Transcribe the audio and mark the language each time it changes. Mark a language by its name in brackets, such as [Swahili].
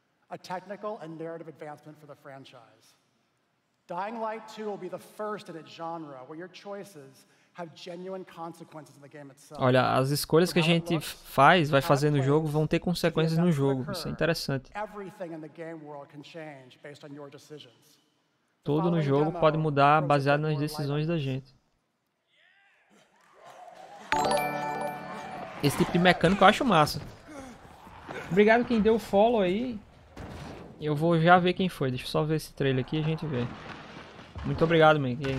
[English] A technical and narrative advancement for the franchise. Dying Light 2 will be the first in its genre where your choices have genuine consequences in the game itself. [Portuguese] Olha, as escolhas que a gente faz, vai fazer no jogo, vão ter consequências no jogo. Isso é interessante. [English] Everything in the game world can change based on your decisions. [Portuguese] Tudo no jogo pode mudar baseado nas decisões da gente. Esse tipo de mecânico eu acho massa. Obrigado quem deu o follow aí. Eu vou já ver quem foi. Deixa eu só ver esse trailer aqui e a gente vê. Muito obrigado, man.